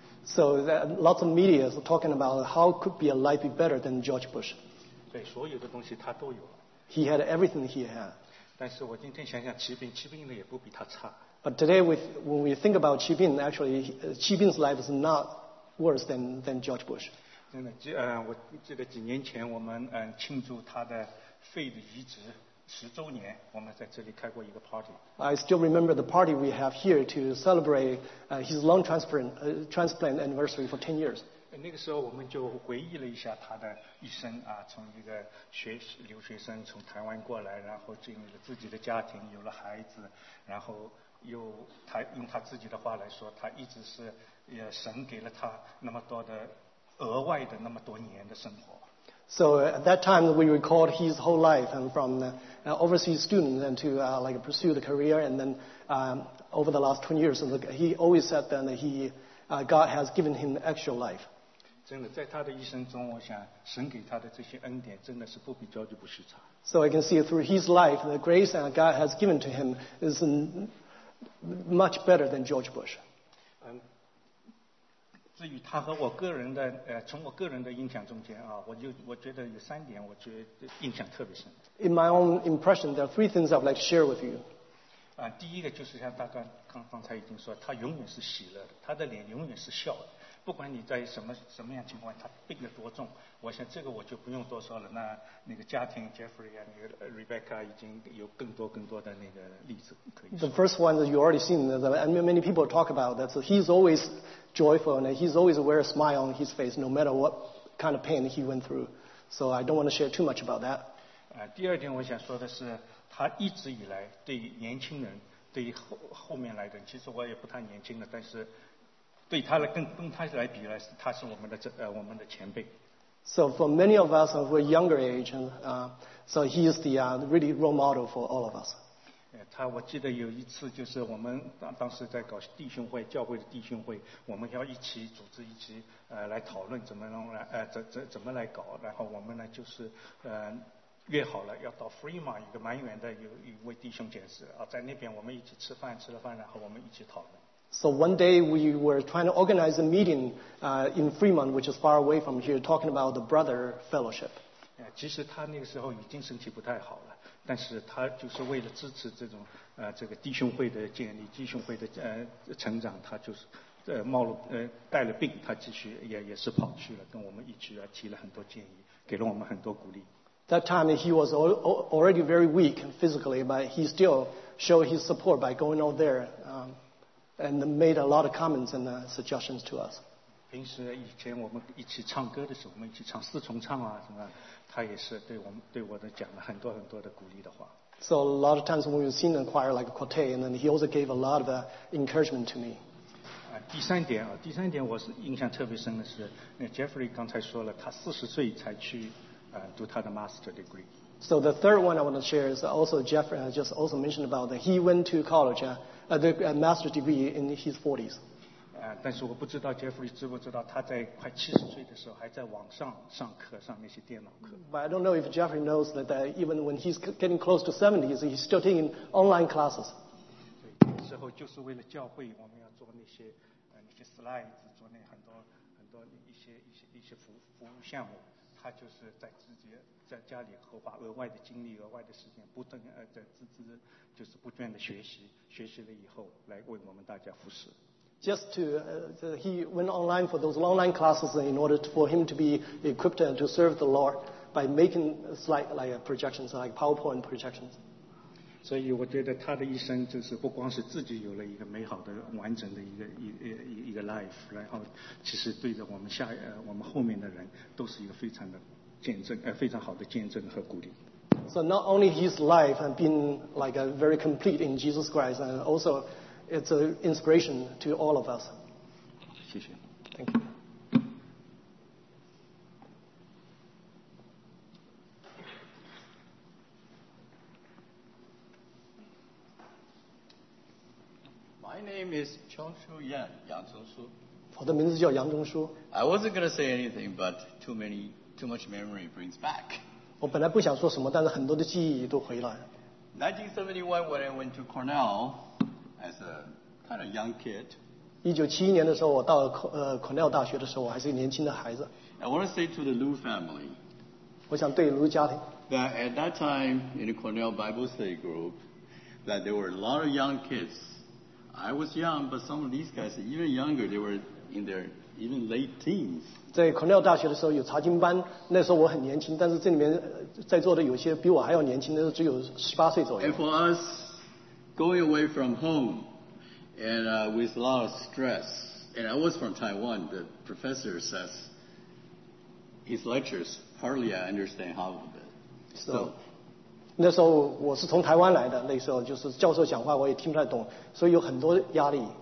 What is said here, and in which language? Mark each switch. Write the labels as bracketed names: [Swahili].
[English] So lots of media is talking about how could be a life be better than George Bush. [Chinese] 对，所有的东西他都有。 [English] He had everything he had. [Chinese] 但是我今天想想齐斌呢也不比他差。 [English] But today, when we think about Chi Bin, actually, Chi Bin's life is not worse than George Bush. [Chinese] 真的，我记得几年前我们庆祝他的肺的移植十周年，我们在这里开过一个 party. [English] I still remember the party we have here to celebrate his lung transplant anniversary for 10 years. [Chinese] 那个时候我们就回忆了一下他的一生啊，从一个留学生从台湾过来，然后进入了自己的家庭，有了孩子，然后。又他用他自己的话来说，他一直是神给了他那么多的额外的那么多年的生活。 [English] So at that time we recalled his whole life and from the overseas student and to like pursue the career and then over the last 20 years he always said that he God has given him extra life. [Chinese] 真的，在他的一生中，我想神给他的这些恩典真的是不比交就不虚差。 [English] So I can see through his life the grace that God has given to him is much better than George Bush. [Chinese] 至于他和我个人的从我个人的印象中间啊，我觉得有三点，我觉得印象特别深。 [English] In my own impression, there are three things I'd like to share with you. [Chinese] 第一个就是像大刚刚才已经说，他永远是喜乐的，他的脸永远是笑的，不管你在什么样情况，他病得多重，我想这个我就不用多说了。那个家庭 Jeffrey 啊，那个 Rebecca 已经有更多的那个例子可以。 [English] The first one that you already seen, that many people talk about, that so he's always joyful and he's always wear a smile on his face no matter what kind of pain he went through. So I don't want to share too much about that. [Chinese] 第二点我想说的是，他一直以来对年轻人，对后面来的，其实我也不太年轻了，但是。对他来跟他来比来，他是我们的前辈。 [English] So for many of us of a younger age, so he is the really role model for all of us. [Chinese] 他我记得有一次就是我们当时在搞弟兄会，教会的弟兄会，我们要一起组织一起来讨论怎么来搞，然后我们呢就是约好了要到 Fremont 一个蛮远的有一位弟兄解释啊，在那边我们一起吃了饭，然后我们一起讨论。 [English] So one day we were trying to organize a meeting in Fremont, which is far away from here, talking about the brother fellowship. [Chinese] 其实他那个时候已经身体不太好了，但是他就是为了支持这个弟兄会的建立，弟兄会的成长，他就是带了病，他继续也是跑去了，跟我们一起啊提了很多建议，给了我们很多鼓励。 [English] That time he was already very weak physically, but he still showed his support by going out there. And made a lot of comments and suggestions to us. [Chinese] 平时以前我们一起唱歌的时候，我们一起唱四重唱啊什么，他也是对我的讲了很多的鼓励的话。 [English] So a lot of times when we sing the choir like a quartet, and then he also gave a lot of encouragement to me. [Chinese] 第三点我是印象特别深的是，那 Jeffrey 刚才说了，他40岁才去读他的 master degree. [English] So the third one I want to share is also Jeffrey just also mentioned about that he went to college. The master's degree in his 40s. [Chinese] 但是我不知道 Jeffrey 知不知道他在快70岁的时候还在网上上课，上那些电脑课。 [English] But I don't know if Jeffrey knows that even when he's getting close to 70s, he's still taking online classes. [Chinese] 对，那时候就是为了教会，我们要做那些 slides, 做那很多一些服务项目。他就是在自己在家里和花额外的精力、额外的时间，不断在自就是不断的学习了以后，来为我们大家服侍。 [English] Just to he went online for those online classes in order for him to be equipped and to serve the Lord by making slide like projections, like PowerPoint projections. [Chinese] 所以我觉得他的一生就是不光是自己有了一个美好的、完整的一个 life, 然后其实对着我们后面的人都是一个非常的见证，非常好的见证和鼓励。 [English] So not only his life has been like a very complete in Jesus Christ, and also it's an inspiration to all of us. [Chinese] 谢谢。 [English] Thank you. My name is Chong Shu Yan, 杨忠书。 [Chinese] 我的名字叫杨忠书。 [English] I wasn't going to say anything, but too much memory brings back. [Chinese] 我本来不想说什么，但是很多的记忆都回来。 [English] 1971, when I went to Cornell as a kind of young kid. [Chinese] 1971年的时候，我到Cornell大学的时候，我还是一个年轻的孩子。 [English] I want to say to the Liu family. [Chinese] 我想对卢家庭。 [English] That at that time in the Cornell Bible study group, that there were a lot of young kids. I was young, but some of these guys even younger. They were in their even late teens. [Chinese] 在 Cornell 大学的时候有查经班，那时候我很年轻，但是这里面在座的有些比我还要年轻的，只有18岁左右。 [English] And for us, going away from home, and with a lot of stress, and I was from Taiwan, the professor says his lectures, hardly I understand half of it. So, [Chinese] 那时候我是从台湾来的，那时候就是教授讲话我也听不太懂，所以有很多压力。